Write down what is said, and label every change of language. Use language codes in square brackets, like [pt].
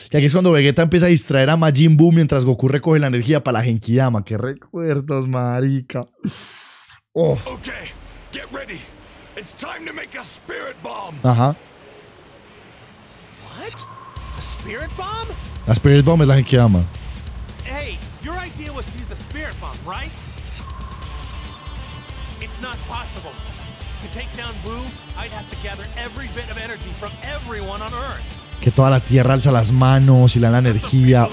[es] Y aquí es cuando Vegeta empieza a distraer a Majin Buu mientras Goku recoge la energía para la Genkidama. ¡Qué recuerdos, marica! Oh. [en] Okay, get ready. It's time to make a spirit bomb. Ajá. What? A spirit bomb? [es] La spirit bomb es la Genkidama. [en] Hey, your idea was to use the spirit bomb, right? It's not possible. To take down Buu, I'd have to gather every bit of energy from everyone on Earth. [es] Que toda la tierra alza las manos y le da la energía.